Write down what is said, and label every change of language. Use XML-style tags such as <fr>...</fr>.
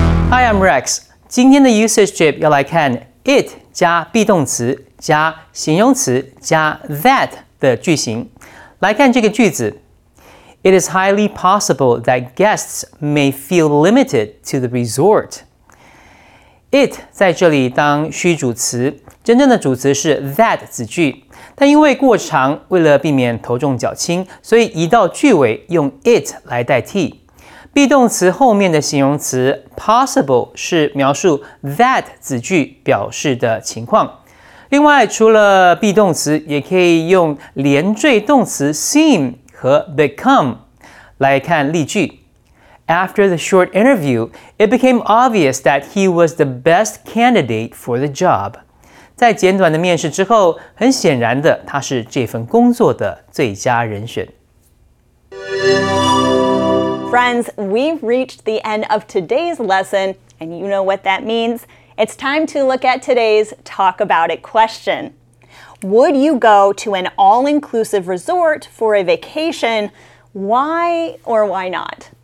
<en>Hi, I'm Rex.</en> <zh>今天的 usage tip 要来看 it 加 be 动词加形容词加 that 的句型。来看这个句子。</zh> <en>It is highly possible that guests may feel limited to the resort.</en> <zh>It 在这里当虚主词，真正的主词是 that 子句，但因为过长，为了避免头重脚轻，所以移到句尾用 it 来代替。 be 动词后面的形容词 possible 是描述 that 子句表示的情况。另外除了 be 动词，也可以用连缀动词 seem 和 become 来看例句。</zh> <en>After the short interview, it became obvious that he was the best candidate for the job.</en> <zh>在简短的面试之后，很显然的，他是这份工作的最佳人选。</zh> <en>Friends, we've reached the end of today's lesson, and you know what that means. It's time to look at today's talk about it question. Would you go to an all-inclusive resort for a vacation? Why or why not?</en>